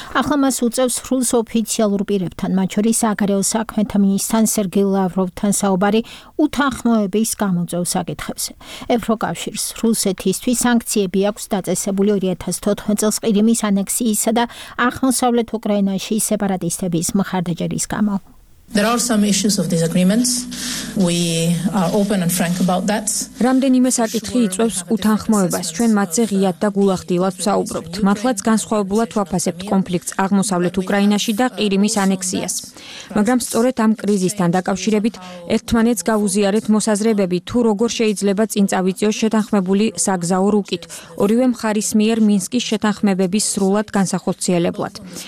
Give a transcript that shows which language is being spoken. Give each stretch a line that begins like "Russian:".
Georgian: ახლა მას უწევს რუს ოფიციალურ პირებთან, მათ შორის საგარეო საქმეთა მინისტრთან სერგეი ლავროვთან საუბარი უთანხმოების გამოწვევ საკითხებზე. ევროკავშირს რუსეთისთვის სანქციები აქვს დაწესებული 2014 წელს ყირიმის ანექსიისა და აღმოსავლეთ უკრაინაში სეპარატისტების ხარდაჭერის გამო.
English: There are some issues of disagreements. We are open and frank about that.
Georgian: რამდენიმე საკითხი იწვევს უთანხმოებას. ჩვენ მათზე ღიად და გულახდილად ვსაუბრობთ. მართლაც განსხვავებულად ვაფასებთ კონფლიქტს აღმოსავლეთ უკრაინაში და ყირიმის ანექსიას. მაგრამ სწორედ ამ კრიზისთან დაკავშირებით ერთმანეთს გავუზიარეთ მოსაზრებები, თუ როგორ შეიძლება წინ წავიწიოს შეთანხმებული საგზაო რუკით, ორივე მხარის მიერ მინსკის შეთანხმებების სრულად განსახორციელებლად.